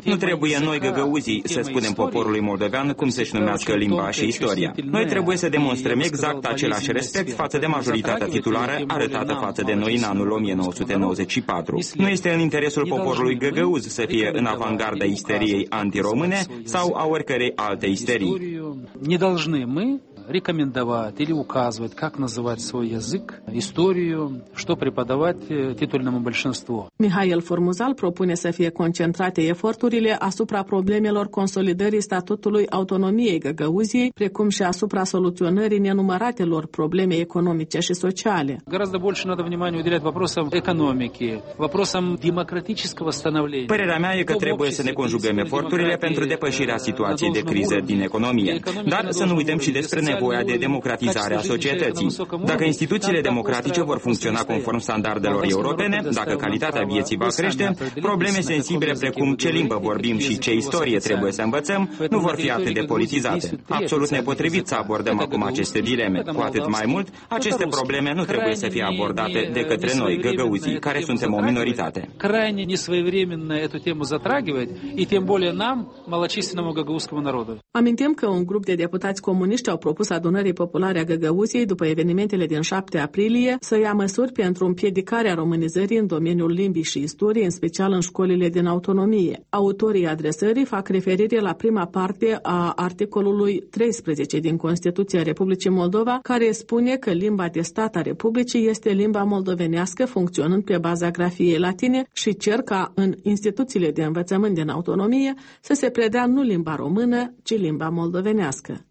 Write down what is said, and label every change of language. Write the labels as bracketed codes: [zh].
[ro] Nu trebuie noi, găgăuzii, să spunem poporului moldovean cum să-și numească limba și istoria. Noi trebuie să demonstrăm exact același respect față de majoritatea titulară arătată față de noi în anul 1994. Nu este în interesul poporului găgăuz să fie în avangarda isteriei antiromâne sau a oricărei alte isterii. [ru] рекомендовать или указывать, как называть свой язык, историю, что преподавать титульному большинству. [ro] Михаил Формузал пропune să fie concentrate eforturile asupra problemelor consolidării statutului autonomiei Găgăuziei, precum și asupra soluționării nenumăratelor probleme economice și sociale. [ru] Гораздо больше надо внимания уделять вопросам экономики, вопросам демократического становления. [ro] Părerea mea e că trebuie să ne conjugăm eforturile pentru depășirea situației de criză din economie, dar să nu uităm și despre nevoia de democratizare a societății. Dacă instituțiile democratice vor funcționa conform standardelor europene, dacă calitatea vieții va crește, probleme sensibile precum ce limbă vorbim și ce istorie trebuie să învățăm nu vor fi atât de politizate. Absolut nepotrivit să abordăm acum aceste dileme. Cu atât mai mult, aceste probleme nu trebuie să fie abordate de către noi, găgăuzii, care suntem o minoritate. [ru] Крайне несвоевременно эту тему затрагивать, и тем более нам, малочисленному гагаузскому народу. [ro] Amintim că un grup de deputați comuniști au propus adunării populare a Găgăuziei după evenimentele din 7 aprilie să ia măsuri pentru împiedicarea românizării în domeniul limbii și istoriei, în special în școlile din autonomie. Autorii adresării fac referire la prima parte a articolului 13 din Constituția Republicii Moldova, care spune că limba de stat a Republicii este limba moldovenească funcționând pe baza grafiei latine și cer ca în instituțiile de învățământ din autonomie să se predea nu limba română, ci limba moldovenească.